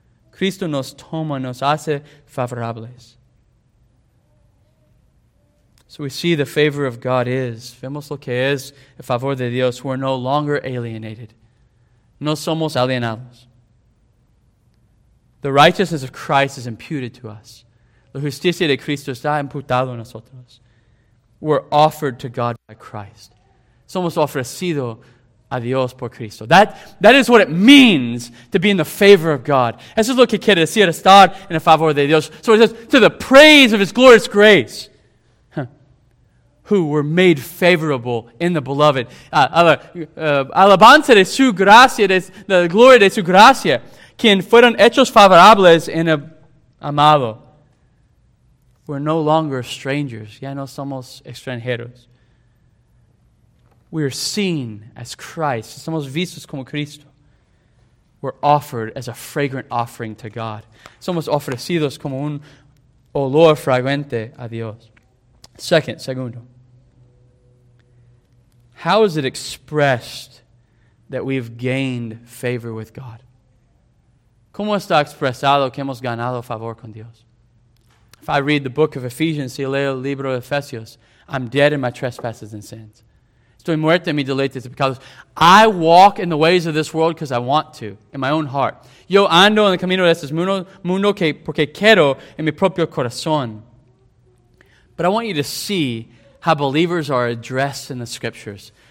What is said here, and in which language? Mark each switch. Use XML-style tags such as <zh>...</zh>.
<es>Cristo nos toma, nos hace favorables.</es> <en>So we see the favor of God is,</en> <es>vemos lo que es el favor de Dios,</es> <en>we're no longer alienated.</en> <es>No somos alienados.</es> <en>The righteousness of Christ is imputed to us.</en> <es>La justicia de Cristo está imputado a nosotros.</es> <en>We're offered to God by Christ.</en> <es>Somos ofrecido a Dios por Cristo.</es> <en>That is what it means to be in the favor of God.</en> <es>Eso es lo que quiere decir, estar en el favor de Dios.</es> <en>So it says, to the praise of His glorious grace, who were made favorable in the Beloved.</en> <es>Alabanza de su gracia, de la gloria de su gracia, quien fueron hechos favorables en el amado.</es> <en>We're no longer strangers.</en> <es>Ya no somos extranjeros.</es> <en>We are seen as Christ.</en> <es>Somos vistos como Cristo.</es> <en>We're offered as a fragrant offering to God.</en> <es>Somos ofrecidos como un olor fragante a Dios. Segundo.</es> <en>How is it expressed that we've gained favor with God?</en> <es>¿Cómo está expresado que hemos ganado favor con Dios?</es> <en>If I read the book of Ephesians,</en> <es>si leo el libro de Efesios,</es> <en>I'm dead in my trespasses and sins.</en> <es>Estoy muerto en mis deleites y pecados.</es> <en>I walk in the ways of this world because I want to, in my own heart.</en> <es>Yo ando en el camino de este mundo que porque quiero en mi propio corazón.</es> <en>But I want you to see how believers are addressed in the Scriptures.</en>